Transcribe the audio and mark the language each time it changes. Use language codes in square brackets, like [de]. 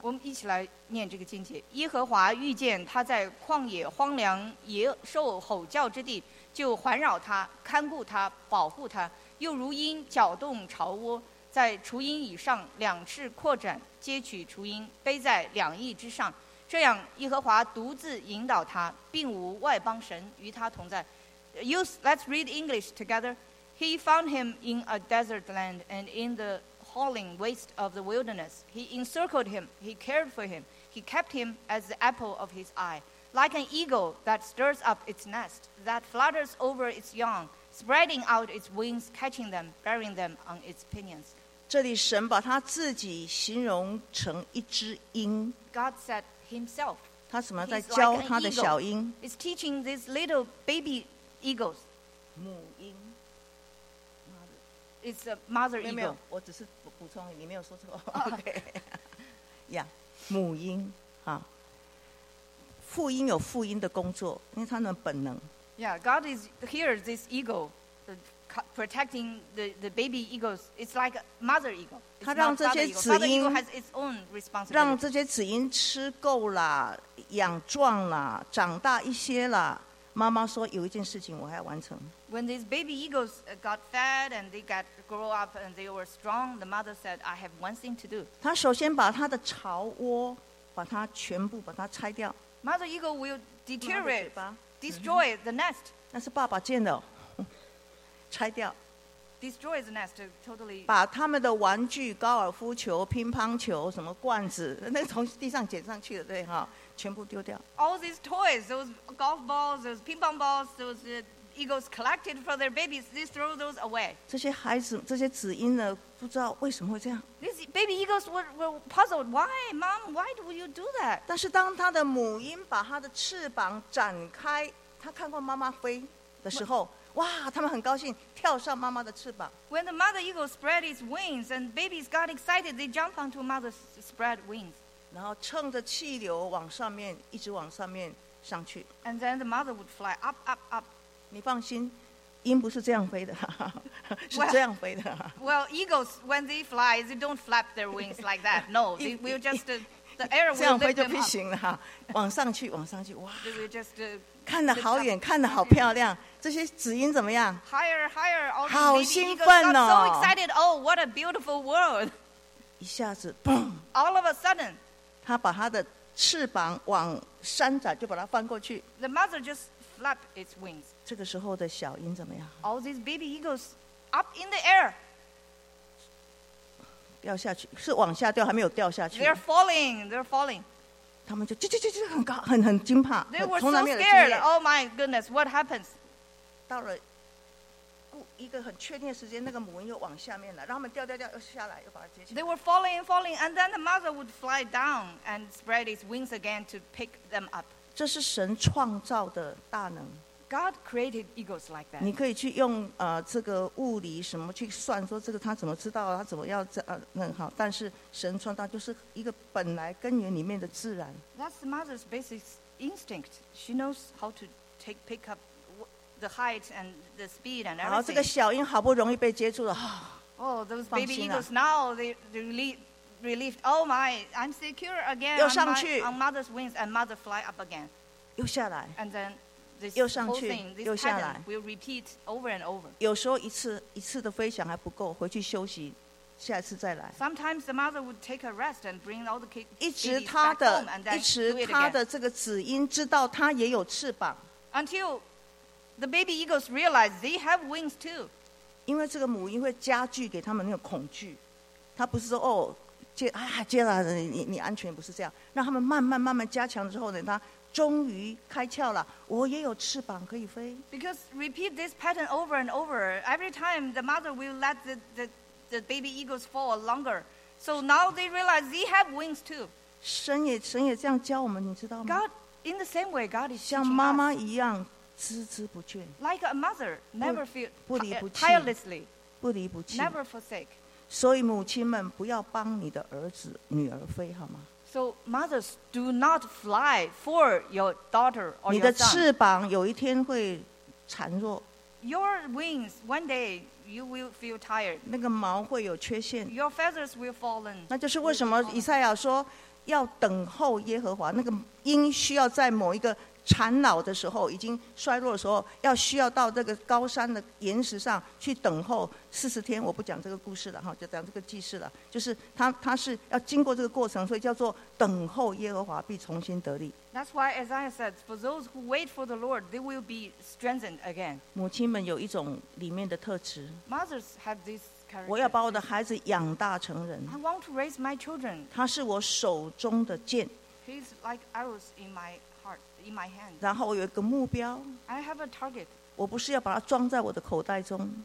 [zh] 我们一起来念这个经节。耶和华遇见他在旷野荒凉野兽吼叫之地，就环绕他，看顾他，保护他，又如鹰搅动巢窝，在雏鹰以上两翅扩展，接取雏鹰，背在两翼之上。这样耶和华独自引导他，并无外邦神与他同在。 [en] Let's read English together. He found him in a desert land and in the hauling waste of the wilderness. He encircled him. He cared for him. He kept him as the apple of his eye, like an eagle that stirs up its nest, that flutters over its young, spreading out its wings, catching them, bearing them on its pinions. [zh] 这里神把他自己形容成一只鹰。 [en] God said himself. [zh] 他怎么在教他的小鹰？ [en] He's teaching these little baby eagles. [zh] 母鹰。 [en] It's a mother eagle. [zh] 没有，我只是补充，你没有说错。 OK， 呀、yeah, ，母鹰啊，父鹰有父鹰的工作，因为它的本能。 [en] Yeah, God is here. This eagle, protecting the baby eagles. It's like a mother eagle. [zh] 它让这些雌鹰 [en] has its own responsibility. [zh] 让这些雌鹰吃够了，养壮了，长大一些了，妈妈说有一件事情我还要完成。 [en] When these baby eagles got fed and they got grow up and they were strong, the mother said, "I have one thing to do." [zh] 她首先把她的巢窝把它全部把它拆掉。 [en] Mother eagle will deteriorate, destroy the nest. [zh] 那是爸爸建的，拆掉。 [en] Destroy the nest totally. [zh] 把他们的玩具、高尔夫球、乒乓球、什么罐子，那从地上捡上去的，对哈。全部丢掉。 [en] All these toys, those golf balls, those ping pong balls, those eagles collected for their babies, they throw those away. [zh] 这些孩子，这些子婴呢，不知道为什么会这样。 [en] These baby eagles were puzzled. Why, mom? Why do you do that? [zh] 但是当他的母鹰把他的翅膀展开，他看过妈妈飞的时候，哇，他们很高兴，跳上妈妈的翅膀。 [en] When the mother eagle spread its wings and babies got excited, they jump onto mother's spread wings. [zh] 然后乘着气流往上面，一直往上面上去。 [en] And then the mother would fly up, up, up. [zh] 你放心，鹰不是这样飞的，是这样飞的。 [en] Well, eagles when they fly, they don't flap their wings like that. No, they will just the air will. [zh] 这样飞就不行了，往上去，往上去，哇！ [en] They will just, [zh] 看得好远，看得好漂亮。这些子鹰怎么样 [en] ？Higher, higher, all the baby eagles got so excited. Oh, what a beautiful world! [zh] 一下子 ，boom! [en] All of a sudden. [zh] 他把他的翅膀往山展，就把它翻过去。 [en] The mother just flapped its wings. [zh] 这个时候的小鹰怎么样 [en] ？All these baby eagles up in the air. [zh] 掉下去，是往下掉，还没有掉下去。 [en] They're falling. They're falling. [zh] 他们就就很高，很惊怕。 [en] They were so scared. Oh my goodness, what happens? [zh] 到了一个很确定的时间，那个母鹰又往下面了，然后他们掉又下来，又把它接起来。 [en] They were falling, and then the mother would fly down and spread its wings again to pick them up. [zh] 这是神创造的大能。 [en] God created eagles like that. [zh] 你可以去用这个物理什么去算，说这个他怎么知道，他怎么要这那好，但是神创造就是一个本来根源里面的自然。 [en] That's the mother's basic instinct. She knows how to take pick up. The height and the speed and everything. [zh] 好，这个小鹰好不容易被接住了。 [en] Oh, those baby eagles now they relieved. Oh my, I'm secure again. [zh] 又上去。 [en] On mother's wings and mother fly up again. [zh] 又下来。 [en] And then this [zh] 又上去。又下来。 [en] Will repeat over and over. [zh] 有时候一次一次的飞翔还不够，回去休息，下次再来。 [en] Sometimes the mother would take a rest and bring all the kids. [zh] 一直他的，一直他的这个子鹰知道他也有翅膀。 [en] Until. The baby eagles realize they have wings too. [zh] 因为这个母鹰会加剧给他们那个恐惧，他不是说哦接啊接了你安全，不是这样，让他们慢慢加强之后呢，他终于开窍了，我也有翅膀可以飞。 [en] Because repeat this pattern over and over, every time the mother will let the baby eagles fall longer. So now they realize they have wings too. [zh] 神也这样教我们，你知道吗 [en] ？God in the same way, God is teaching us. [zh] 像妈妈一样。孜孜不倦 [en] ，like a mother, never feel [zh] 不离不弃 [en] tirelessly, [zh] 不离不弃 [en] ，never forsake。 [zh] 所以母亲们不要帮你的儿子女儿飞，好吗 [en] ？So mothers do not fly for your daughter or your son. [zh] 你的翅膀有一天会孱弱 [en] ，your wings one day you will feel tired. [zh] 那个毛会有缺陷 [en] ，your feathers will fallen. [zh] 那就是为什么以赛亚说要等候耶和华，那个鹰需要在某一个。缠老的时候，已经衰弱的时候，要需要到这个高山的岩石上去等候40天。我不讲这个故事了，就讲这个记事了。就是他是要经过这个过程，所以叫做等候耶和华必重新得力。 [en] That's why Isaiah said, for those who wait for the Lord, they will be strengthened again. [zh] 母亲们有一种里面的特质。 [en] Mothers have this character. [zh] 我要把我的孩子养大成人。 [en] I want to raise my children. [zh] 他是我手中的剑。 [en] He's like arrows in my In my hand. [zh] 然后我有一个目标。 [en] I have a target. [zh] 我不是要把它装在我的口袋中。